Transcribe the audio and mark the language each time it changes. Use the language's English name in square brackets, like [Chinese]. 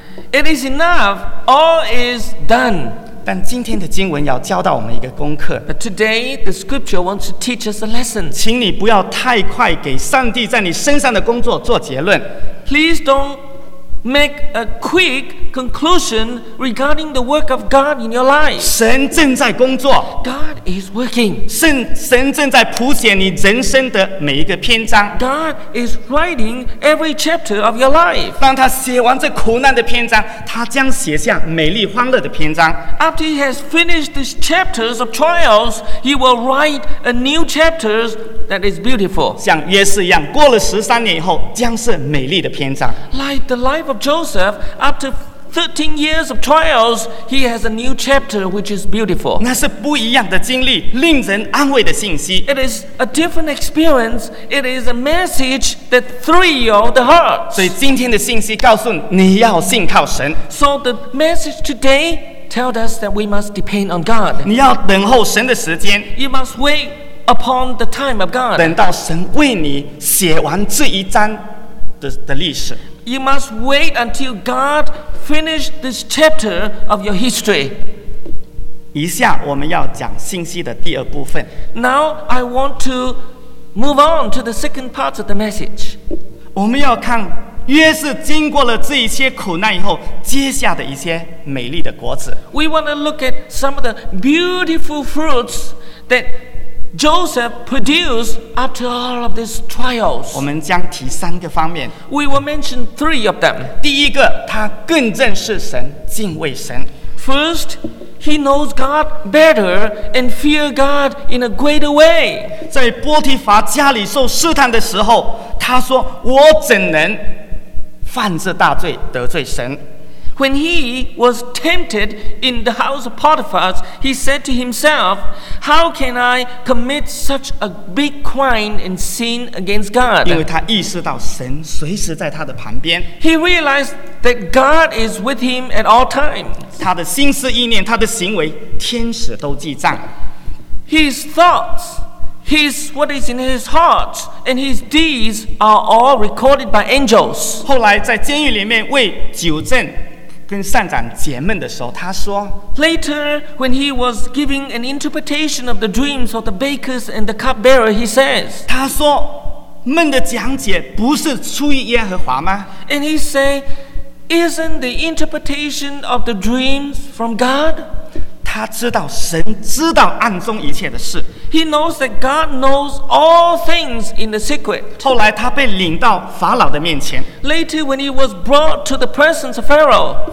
[English] It is enough. All is done. [Chinese] 但今天的经文要教导我们一个功课。 [English] But today the scripture wants to teach us a lesson. [Chinese] 请你不要太快给上帝在你身上的工作做结论。 [English] Please don't make a quick conclusion regarding the work of God in your life. [Chinese] 神正在工作。 [English] God is working. [Chinese] 神正在谱写你人生的每一个篇章。 [English] God is writing every chapter of your life. [Chinese] 当他写完这苦难的篇章，他将写下美丽欢乐的篇章。 [English] After he has finished these chapters of trials, he will write a new chapter that is beautiful. [Chinese] 像约瑟一样，过了13年以后，将是美丽的篇章。 [English] Like the life of Joseph, after 13 years of trials, he has a new chapter which is beautiful. [Chinese] 那是不一样的经历，令人安慰的信息。 [English] It is a different experience. It is a message that thrills the heart. [Chinese] 所以今天的信息告诉你，你要信靠神。 [English] So the message today tells us that we must depend on God. [Chinese] 你要等候神的时间。 [English] You must wait upon the time of God. [Chinese] 等到神为你写完这一章的历史。 [English] You must wait until God finished this chapter of your history. [Chinese] 以下我们要讲信息的第二部分。 [English] Now I want to move on to the second part of the message. [Chinese] 我们要看约瑟经过了这一些苦难以后，接下的一些美丽的果子。 [English] We want to look at some of the beautiful fruits that Joseph produced after all of these trials. [Chinese] 我们将提三个方面。 [English] We will mention three of them. [Chinese] 第一个，他更认识神，敬畏神。 [English] First, he knows God better and fear God in a greater way. [Chinese] 在波提法家里受试探的时候，他说：“我怎能犯这大罪，得罪神？” [English] When he was tempted in the house of Potiphar, he said to himself, How can I commit such a big crime and sin against God? [Chinese] 因为他意识到神随时在他的旁边。 [English] He realized that God is with him at all times. [Chinese] 他的心思意念，他的行为，天使都记账。 [English] His thoughts, His what is in his heart and his deeds are all recorded by angels. [Chinese] 后来在监狱里面为九正跟善长解闷的时候，他说 [English] ：Later, when he was giving an interpretation of the dreams of the bakers and the cupbearer, he says， [Chinese] 他说闷的讲解不是出于耶和华吗 [English] ？And he say， isn't the interpretation of the dreams from God？ [Chinese] 他知道神知道暗中一切的事。 [English] He knows that God knows all things in the secret. [Chinese] 后来他被领到法老的面前。 [English] Later, when he was brought to the presence of Pharaoh,